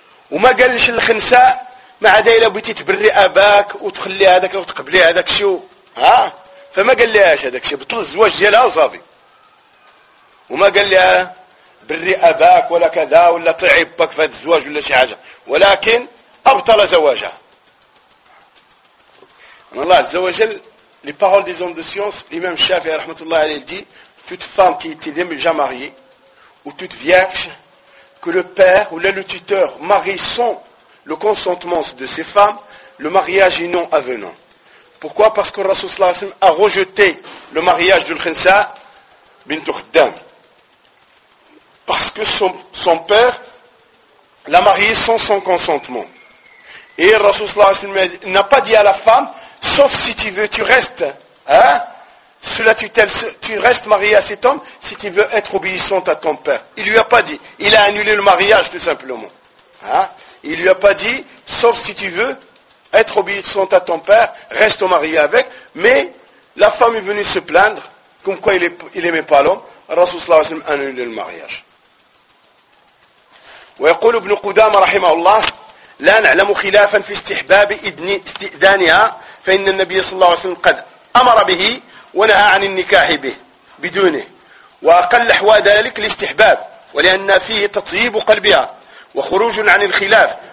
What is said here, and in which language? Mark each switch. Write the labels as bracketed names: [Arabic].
[Arabic] وما قالش الخنساء ما عدا إلا بغيتي تبري أباك وتخلي هذاك وتقبلي هذاك الشيء، فما قال لهاش هذاك الشيء، بطل الزواج ديالها وصافي. وما قال لها بري أباك ولا كذا ولا طيعي باك في هذا الزواج ولا شي حاجة، ولكن أبطل زواجها. أن الله عز وجل [French] les paroles des hommes de science l'imam Shafi'i rahmatullah alayhi dit toute femme qui était déjà mariée ou toute vierge que le père ou le tuteur marie sans le consentement de ses femmes, le mariage est non avenant. Pourquoi? Parce que le Rasul sallallahu alayhi wa sallam a rejeté le mariage de l'Khinsa bint Khaddam parce que son père l'a mariée sans son consentement. Et le Rasoul sallallahu alayhi wa sallam n'a pas dit à la femme, sauf si tu veux, tu restes, sous la tutelle, tu restes marié à cet homme, si tu veux être obéissante à ton père. Il lui a pas dit. Il a annulé le mariage, tout simplement. Il lui a pas dit, sauf si tu veux être obéissante à ton père, reste marié avec. Mais la femme est venue se plaindre, comme quoi il aimait pas l'homme. Le Rasoul sallallahu alayhi wa sallam a annulé le mariage. [Arabic] ويقول ابن قدامة رحمه الله لا نعلم خلافا في استحباب استئذانها فإن النبي صلى الله عليه وسلم قد أمر به ونهى عن النكاح به بدونه، وأقل أحوال ذلك الاستحباب ولأن فيه تطيب قلبها وخروج عن الخلاف